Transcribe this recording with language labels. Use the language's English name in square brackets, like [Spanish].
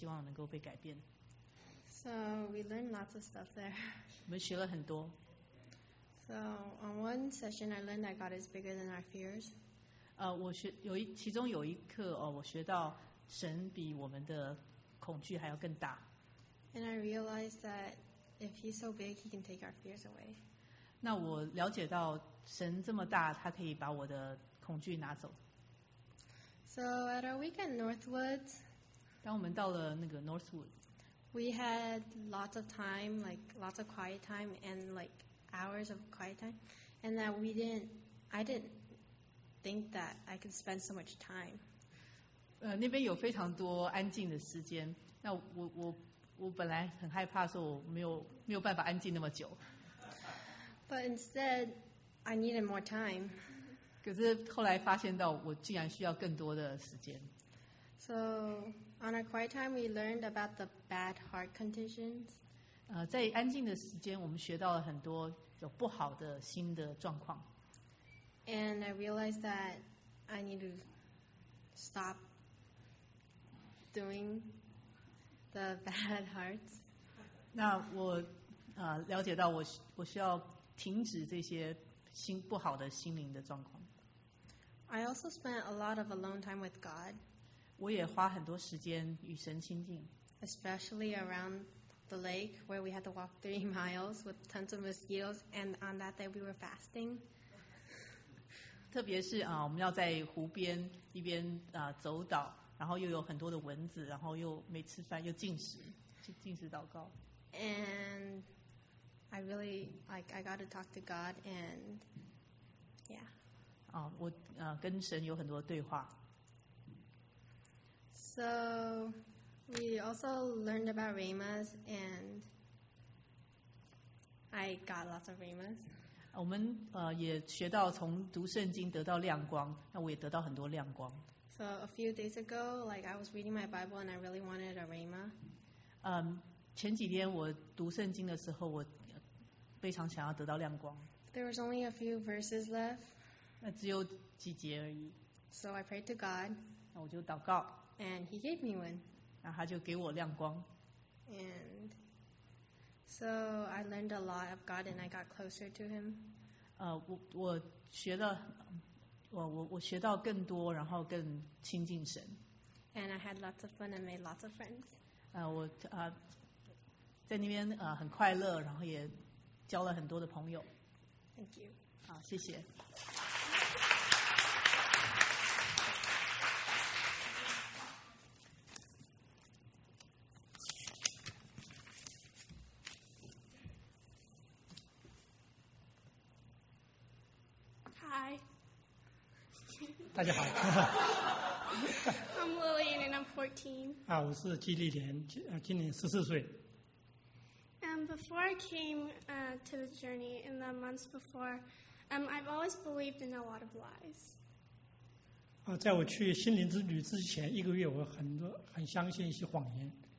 [Chinese] 我非常的想要去这个心灵之旅，因为我看到去的人都得到改变，那我也希望能够被改变。 [English] So we learned lots of stuff there. [Chinese] 我们学了很多。 [English] So on one session, I learned that God is bigger than our fears. [Chinese] 我学有一其中有一课哦，我学到神比我们的恐惧还要更大。 [English] And I realized that if He's so big, He can take our fears away. [Chinese] 那我了解到神这么大，他可以把我的恐惧拿走。 [English] So at our week at Northwoods, [Chinese] 当我们到了那个 Northwood, [English] We had lots of time, like lots of quiet time and like hours of quiet time, and that we didn't, I didn't think that I could spend so much time. [Chinese] 那边有非常多安静的时间，那我本来很害怕说我没有办法安静那么久。 [English] But instead, I needed more time. [Chinese] 可是后来发现到我竟然需要更多的时间。 [English] So, on our quiet time, we learned about the bad heart conditions. [Chinese] 在安静的时间，我们学到了很多有不好的心的状况。 [English] And I realized that I need to stop doing the bad hearts. [Chinese] 那我了解到我需要停止这些心不好的心灵的状况。 [English] I also spent a lot of alone time with God. [Chinese] 我也花很多时间与神亲近。 [English] Especially around the lake where we had to walk 3 miles with tons of mosquitoes, and on that day we were fasting. [Chinese] 特别是我们要在湖边一边走岛，然后又有很多的蚊子，然后又没吃饭，又禁食祷告。 [English] And I really like I got to talk to God and yeah. [Chinese] 我跟神有很多对话。 [English] So we also learned about Ramas and I got lots of Ramas. [Chinese] 我们也学到从读圣经得到亮光，那我也得到很多亮光。 [English] So a few days ago, like I was reading my Bible and I really wanted a Rhema. [Chinese] 前几天我读圣经的时候，我非常想要得到亮光。 [English] There was only a few verses left. [Chinese] 那只有几节而已。 [English] So I prayed to God. [Chinese] 那我就祷告。 [English] And He gave me one. [Chinese] 那他就给我亮光。 [English] And so I learned a lot of God and I got closer to Him. [Chinese] 我学了。我学到更多，然后更亲近神。 [English] And I had lots of fun and made lots of friends. [Chinese] 我在那边很快乐，然后也交了很多的朋友。 [English] Thank you. [Chinese] 好，谢谢。 [English] I'm Lillian and I'm 14. [Chinese] 我是季丽莲，今年14岁。 [English] And before I came to the journey in the months before, I've always believed in a lot of lies. [Chinese] 在我去心灵之旅之前一个月，我很相信一些谎言。